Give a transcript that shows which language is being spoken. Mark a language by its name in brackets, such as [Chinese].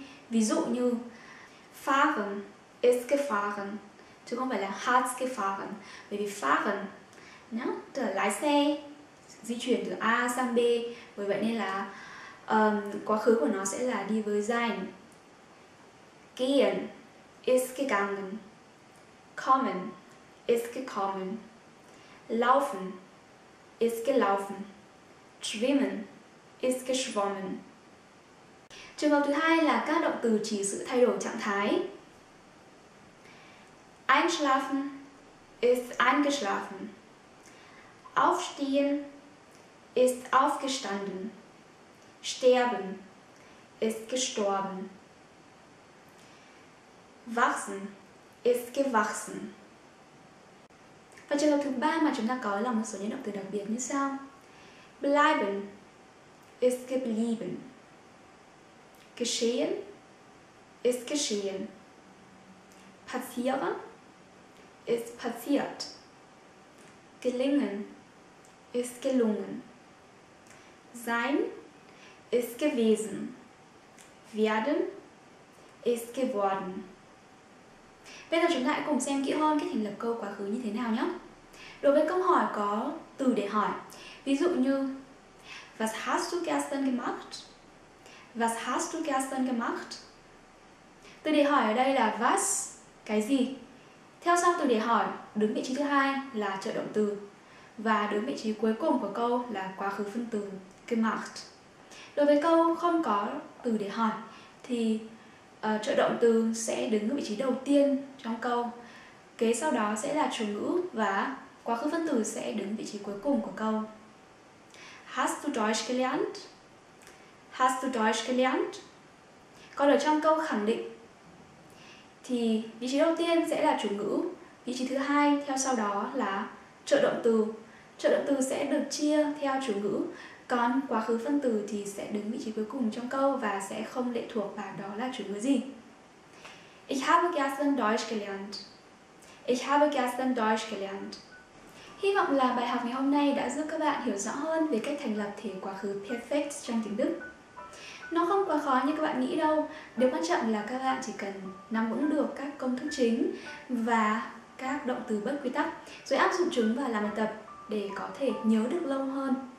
[Vietnamese] Ví dụ như [German] fahren ist gefahren, [Vietnamese] chứ không phải là hat gefahren. Bởi vì fahren nhá, tức là lái xe, di chuyển từ A sang B. Vì vậy nên là quá khứ của nó sẽ là đi với sein. [German] Gehen ist gegangen, kommen ist gekommen, laufen ist gelaufen, schwimmen ist geschwommen. [Vietnamese] Trường hợp thứ hai là các động từ chỉ sự thay đổi trạng thái. [German] Einschlafen ist eingeschlafen. Aufstehen ist aufgestanden. Sterben ist gestorben. Wachsen ist gewachsen. [Vietnamese] Và trường hợp thứ ba mà chúng ta có là một số những động từ đặc biệt như sau. [German] Bleiben ist geblieben. Geschehen ist geschehen. Passieren ist passiert. Gelingen ist gelungen. Sein ist gewesen. Werden ist geworden. [Vietnamese] Bây giờ chúng ta hãy cùng xem kỹ hơn cách thành lập câu quá khứ như thế nào nhé. Đối với câu hỏi có từ để hỏi, ví dụ như [German] Was hast du gestern gemacht? Was hast du gestern gemacht? [Vietnamese] Từ để hỏi ở đây là was, cái gì? Theo sau từ để hỏi, đứng vị trí thứ hai là trợ động từ. Và đứng vị trí cuối cùng của câu là quá khứ phân từ gemacht. Đối với câu không có từ để hỏi thì trợ động từ sẽ đứng ở vị trí đầu tiên trong câu. Kế sau đó sẽ là chủ ngữ và quá khứ phân từ sẽ đứng vị trí cuối cùng của câu. [German] Hast du Deutsch gelernt? Hast du Deutsch gelernt? [Vietnamese] Còn ở trong câu khẳng định thì vị trí đầu tiên sẽ là chủ ngữ, vị trí thứ hai theo sau đó là trợ động từ. Trợ động từ sẽ được chia theo chủ ngữ, còn quá khứ phân từ thì sẽ đứng vị trí cuối cùng trong câu và sẽ không lệ thuộc vào đó là chủ ngữ gì. [German] Ich habe gestern Deutsch gelernt. Ich habe gestern Deutsch gelernt. [Vietnamese] Hy vọng là bài học ngày hôm nay đã giúp các bạn hiểu rõ hơn về cách thành lập thể quá khứ perfect trong tiếng Đức. Nó không quá khó như các bạn nghĩ đâu. Điều quan trọng là các bạn chỉ cần nắm vững được các công thức chính và các động từ bất quy tắc, rồi áp dụng chúng và làm bài tập để có thể nhớ được lâu hơn.